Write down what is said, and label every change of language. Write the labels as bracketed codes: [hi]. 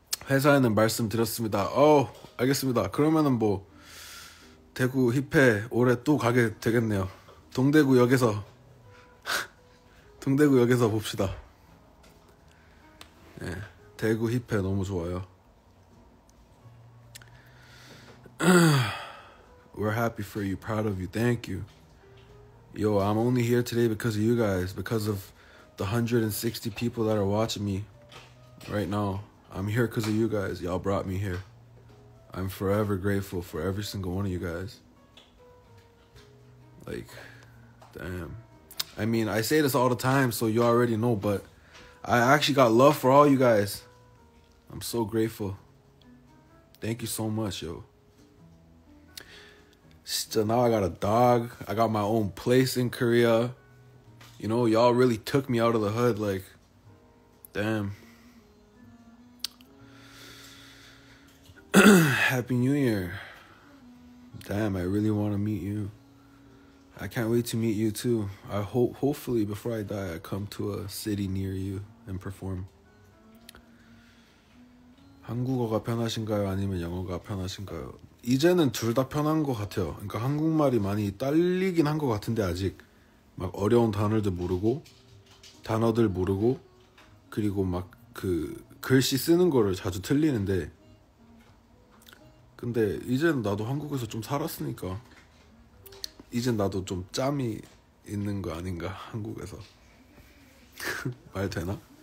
[ko] 회사에는 말씀드렸습니다. 알겠습니다. 그러면은 뭐, 대구 힙해 올해 또 가게 되겠네요. 동대구역에서 봅시다. 예, 대구 힙해 너무 좋아요. [en] We're happy for you, proud of you, thank you. Yo, I'm only here today because of you guys, because of the 160 people that are watching me right now. I'm here because of you guys. Y'all brought me here. I'm forever grateful for every single one of you guys. Like, damn. I mean, I say this all the time, so you already know, but I actually got love for all you guys. I'm so grateful. Thank you so much, yo. Still, now I got a dog. I got my own place in Korea. You know, y'all really took me out of the hood. Like, damn. Happy New Year. Damn, I really want to meet you. I can't wait to meet you too. I hope, hopefully before I die, I come to a city near you and perform. [ko] 한국어가 편하신가요? 아니면 영어가 편하신가요? 이제는 둘 다 편한 것 같아요. 그러니까 한국말이 많이 딸리긴 한 것 같은데 아직 막 어려운 단어들 모르고 단어들 모르고 그리고 막 그 글씨 쓰는 거를 자주 틀리는데 근데 이제는 나도 한국에서 좀 살았으니까 이제 나도 좀 짬이 있는 거 아닌가 한국에서 말 되나?